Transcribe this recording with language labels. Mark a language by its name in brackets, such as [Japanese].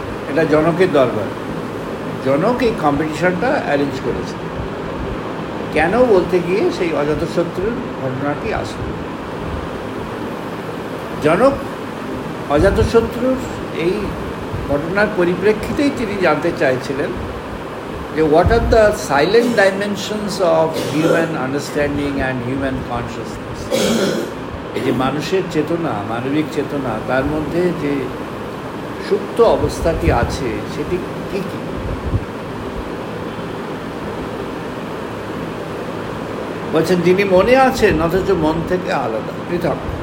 [Bangla] এটা জনকের দরবার, জনক এই কম্পিটিশনটা অ্যারেঞ্জ করেছে। কেন বলতে গিয়ে সেই অজাতশত্রুর ঘটনাটি আসল। জনক অজাতশত্রুর এই ঘটনার পরিপ্রেক্ষিতেই তিনি জানতে চাইছিলেন [English] What are the silent dimensions of human understanding and human consciousness? [Bangla] যে মানুষের চেতনা, মানবিক চেতনা, তার মধ্যে যে সুপ্ত অবস্থাটি আছে সেটি কী কী? বলছেন যিনি মনে আছেন অথচ মন থেকে আলাদা পৃথক।